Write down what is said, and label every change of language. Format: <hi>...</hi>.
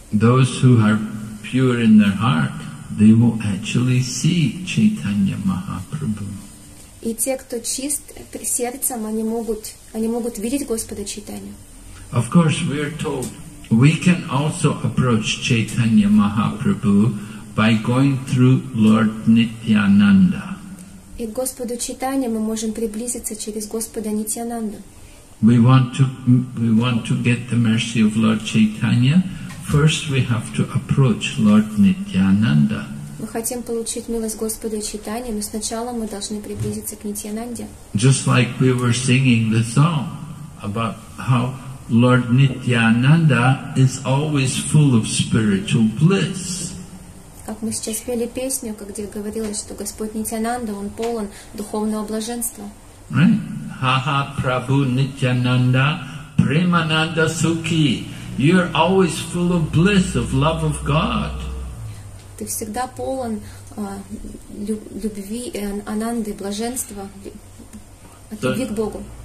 <en>Those who are pure in their heart, they will actually see Chaitanya Mahaprabhu.</en> <ru>И те, кто чист сердцем, они могут видеть Господа Чайтанью.</ru> <en>Of course, we are told we can also approach Chaitanya Mahaprabhu by going through Lord Nityananda.</en> <ru>И к Господу Чайтанье мы можем приблизиться через Господа Нитьянанду.</ru> <en>We want to get the mercy of Lord Chaitanya. First, we have to approach Lord Nityananda.</en> <ru>Мы хотим получить милость Господа Чайтанья, но сначала мы должны приблизиться к Нитьянанде.</ru> <en>Just like we were singing the song about how Lord Nityananda is always full of spiritual bliss.</en> <ru>Как мы сейчас пели песню, где говорилось, что Господь Нитьянанда, он полон духовного блаженства.</ru> <en>Right. Ha-ha, Prabhu Nityananda, Premananda Sukhi. You're always full of bliss, of love of God.</en> <ru>Ты всегда полон любви, ананды, блаженства, от любви к Богу.</ru>